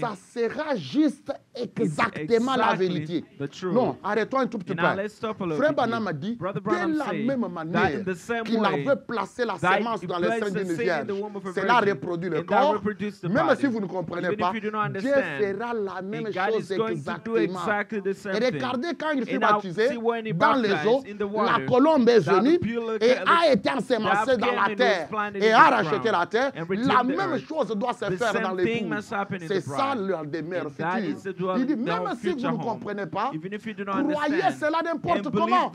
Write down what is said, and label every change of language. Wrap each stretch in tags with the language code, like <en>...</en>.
<fr>ça sera juste exactement</fr> <en>exactly</en> <fr>la vérité. Non, arrêtons un tout petit</fr> <en>now,</en> <fr>peu. Frère Branham a dit, de la même manière qu'il avait placé la semence dans le sein d'une vierge, cela reproduit le corps, même si vous ne comprenez pas, Dieu fera la même chose.</fr> <en>God is going to do exactly the same thing.</en> <fr>Regardez quand il fut baptisé dans les eaux, la colombe est venue et a été ensemencée dans la terre et a racheté la terre. La même chose doit se faire dans l'épouse. C'est ça leur demeure future. Il dit, même si vous ne comprenez pas, croyez cela n'importe comment.</fr>